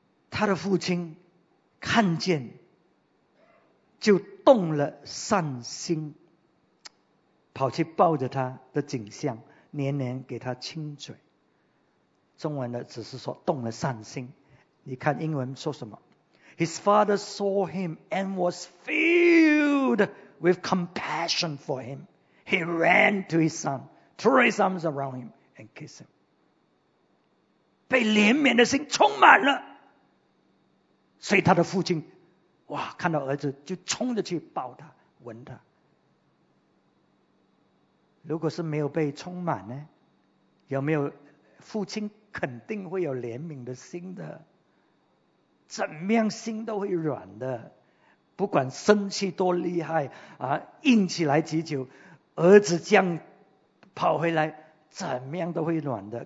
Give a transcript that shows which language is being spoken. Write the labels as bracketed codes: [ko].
[zh] 他的父亲看见就动了善心，跑去抱着他的景象，年年给他亲嘴。中文的只是说动了善心，你看英文说什么？ [en] His father saw him and was filled with compassion for him. He ran to his son, threw his arms around him and kissed him. [zh] 被怜悯的心充满了，所以他的父亲哇，看到儿子就冲着去抱他吻他。如果是没有被充满呢，有没有父亲肯定会有怜悯的心的，怎么样心都会软的，不管生气多厉害啊，硬起来几久，儿子这样跑回来怎么样都会软的。